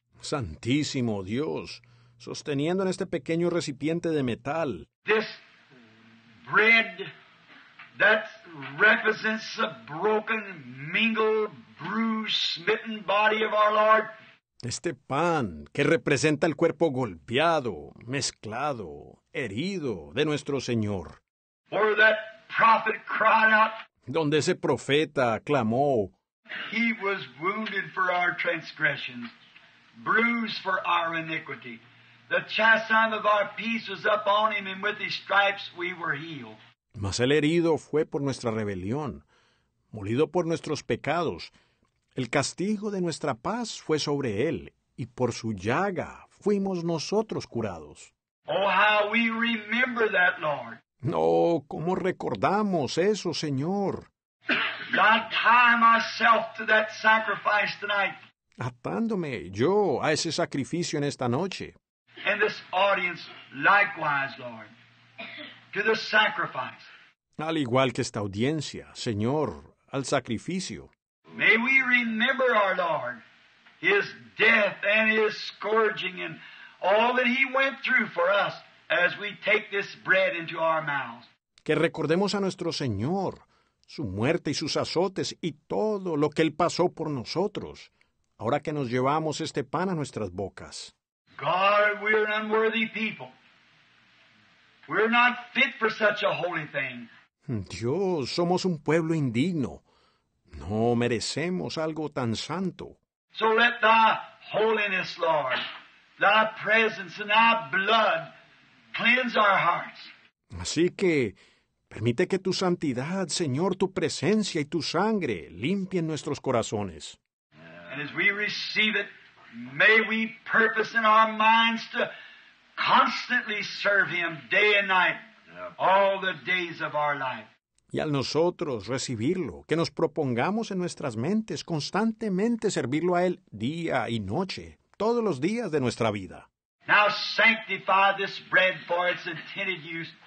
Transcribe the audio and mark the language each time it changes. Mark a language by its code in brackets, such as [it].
[es] Santísimo Dios, sosteniendo en este pequeño recipiente de metal. [en] This bread that represents the broken, mingled, bruised, smitten body of our Lord. [es] Este pan que representa el cuerpo golpeado, mezclado, herido de nuestro Señor. [en] Where that prophet cried out. [es] Donde ese profeta clamó, [en] he was wounded for our transgressions, bruised for our iniquity. The chastisement of our peace was upon him, and with his stripes we were healed. [es] Mas el herido fue por nuestra rebelión, molido por nuestros pecados. El castigo de nuestra paz fue sobre él, y por su llaga fuimos nosotros curados. [en] Oh, how we remember that, Lord. [es] No, ¿cómo recordamos eso, Señor? [en] I tie myself to that sacrifice tonight. [es] Atándome yo a ese sacrificio en esta noche. [en] and this audience likewise, Lord, to the sacrifice. [es] Al igual que esta audiencia, Señor, al sacrificio. [en] May we remember our Lord, His death and His scourging and all that He went through for us as we take this bread into our mouths. [es] Que recordemos a nuestro Señor, su muerte y sus azotes y todo lo que Él pasó por nosotros, ahora que nos llevamos este pan a nuestras bocas. [en] God, we're an unworthy people. We're not fit for such a holy thing. [es] Dios, somos un pueblo indigno. No merecemos algo tan santo. [en] So let thy holiness, Lord, thy presence and thy blood cleanse our hearts. [es] Así que, permite que tu santidad, Señor, tu presencia y tu sangre limpien nuestros corazones. [en] And as we receive it, may we purpose in our minds to constantly serve Him day and night, all the days of our life. [es] Y al nosotros recibirlo, que nos propongamos en nuestras mentes constantemente servirlo a Él día y noche, todos los días de nuestra vida. [en] Now sanctify this bread for its intended use.